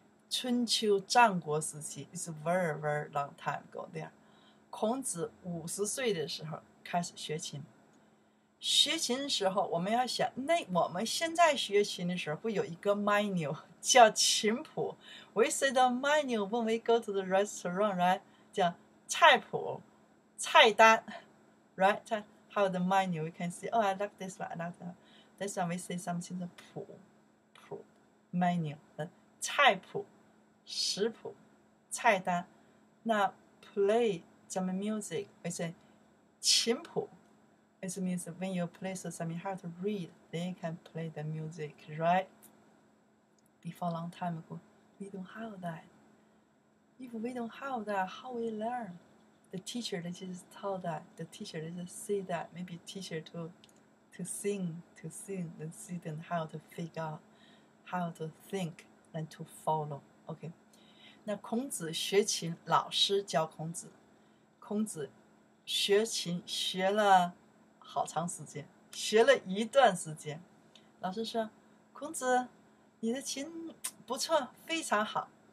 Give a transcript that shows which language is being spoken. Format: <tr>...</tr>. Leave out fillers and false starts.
<en>春秋战国时期 is very very long time ago there.</en> <zh>孔子五十岁的时候开始学琴。学琴的时候我们要想那我们现在学琴的时候会有一个 menu 叫琴谱。</zh> <en>We say the menu when we go to the restaurant, right?</en> <zh>叫菜谱菜单</zh> <en>right? How the menu, we can see, oh, I like this one, I like that. This one we say something, the 谱 menu, 菜谱。</en> <zh>食谱菜单那</zh> <en>play</en> <zh>咱们</zh> <en>music we say 琴谱 it means when you play something how to read then you can play the music right before long time ago we don't have that if we don't have that how we learn the teacher they just tell that the teacher they just say that maybe teacher to sing the student how to figure out how to think and to follow okay</en> <zh>那孔子学琴，老师教孔子。孔子学琴学了好长时间，学了一段时间。老师说：“孔子，你的琴不错，非常好。”</zh>